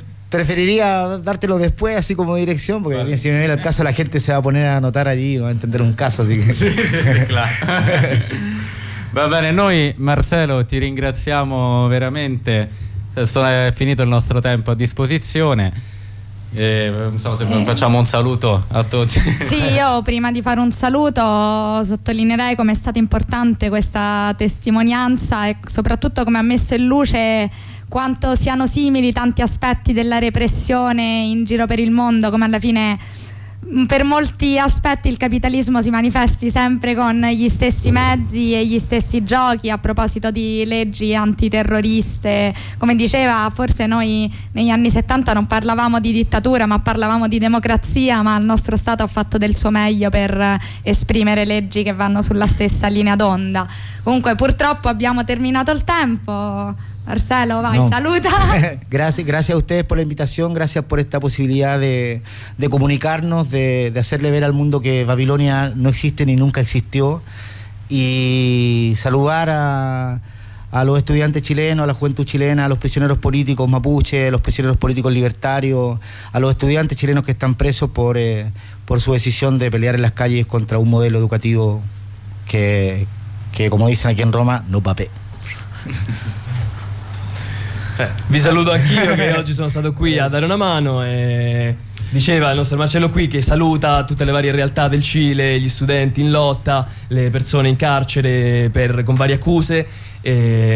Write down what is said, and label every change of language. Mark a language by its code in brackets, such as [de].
[es] Preferiría dártelo después, así como dirección, porque vale. Si me viene el caso, la gente se va a poner a anotar allí, va a entender un caso, así que... Sí, sí, sí, claro. [it] Va bene, noi, Marcelo, ti ringraziamo veramente, è finito il nostro tempo a disposizione, e facciamo un saluto a tutti. Sì, io prima di fare un saluto sottolineerei come è stata importante questa testimonianza e soprattutto come ha messo in luce quanto siano simili tanti aspetti della repressione in giro per il mondo, come alla fine per molti aspetti il capitalismo si manifesti sempre con gli stessi mezzi e gli stessi giochi. A proposito di leggi antiterroriste, come diceva, forse noi negli anni 70 non parlavamo di dittatura ma parlavamo di democrazia, ma il nostro Stato ha fatto del suo meglio per esprimere leggi che vanno sulla stessa linea d'onda. Comunque purtroppo abbiamo terminato il tempo. Marcelo, vai, no. Saluta. [es] Gracias a ustedes por la invitación, gracias por esta posibilidad de comunicarnos, de hacerle ver al mundo que Babilonia no existe ni nunca existió, y saludar a los estudiantes chilenos, a la juventud chilena, a los prisioneros políticos mapuche, a los prisioneros políticos libertarios, a los estudiantes chilenos que están presos por su decisión de pelear en las calles contra un modelo educativo que como dicen aquí en Roma, no papé. [it] Vi saluto anch'io che oggi sono stato qui a dare una mano, e diceva il nostro Marcello qui che saluta tutte le varie realtà del Cile, gli studenti in lotta, le persone in carcere con varie accuse e